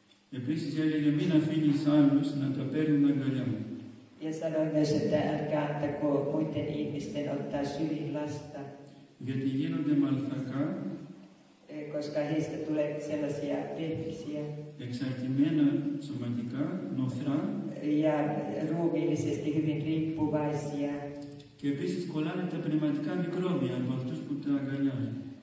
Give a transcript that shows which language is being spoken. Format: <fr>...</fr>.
<el>Επίσης έλεγε, μην αφήνεις άλλους να τα παίρνουν αγκαλιά μου.</el> <fi>Ja sanoi myös, että älkää antako muiden ihmisten ottaa syliin lasta.</fi> <el>Γιατί γίνονται μαλθακά.</el> <fi>Koska heistä tulee sellaisia pehmisiä.</fi> <el>Εξαρτημένα σωματικά, νοθρά.</el> <fi>Ja ruumiillisesti hyvin riippuvaisia.</fi> <el>Και επίσης κολλάνε τα πνευματικά μικρόβια από αυτούς που τα αγκαλιάζουν.</el>